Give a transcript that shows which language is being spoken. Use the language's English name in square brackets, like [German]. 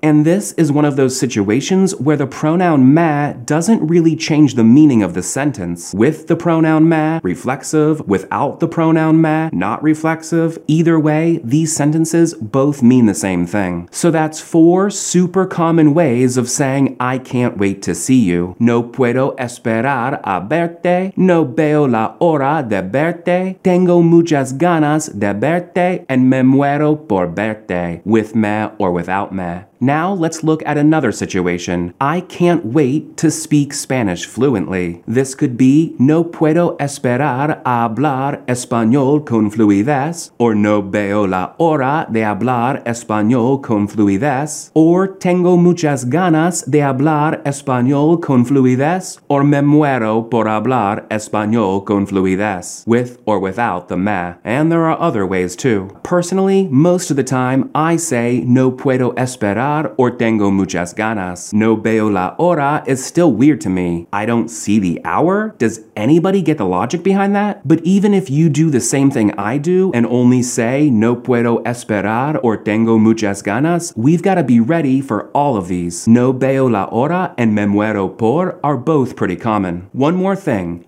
[English] And this is one of those situations where the pronoun me doesn't really change the meaning of the sentence. With the pronoun me, reflexive, without the pronoun me, not reflexive, either way, these sentences both mean the same thing. So that's four super common ways of saying I can't wait to see you. [Spanish] No puedo esperar a verte, no veo la hora de verte, tengo muchas ganas de verte, and me muero por verte, [English] with me or without me. Now let's look at another situation. I can't wait to speak Spanish fluently. This could be [Spanish] no puedo esperar a hablar español con fluidez, or no veo la hora de hablar español con fluidez, or tengo muchas ganas de hablar español con fluidez, or me muero por hablar español con fluidez, [English] with or without the me. And there are other ways too. Personally, most of the time, I say [Spanish] no puedo esperar llorar or tengo muchas ganas. No veo la hora [English] is still weird to me. I don't see the hour? Does anybody get the logic behind that? But even if you do the same thing I do and only say [Spanish] no puedo esperar [English] or [Spanish] tengo muchas ganas, [English] we've got to be ready for all of these. [Spanish] No veo la hora [English] and [Spanish] me muero por [English] are both pretty common. One more thing.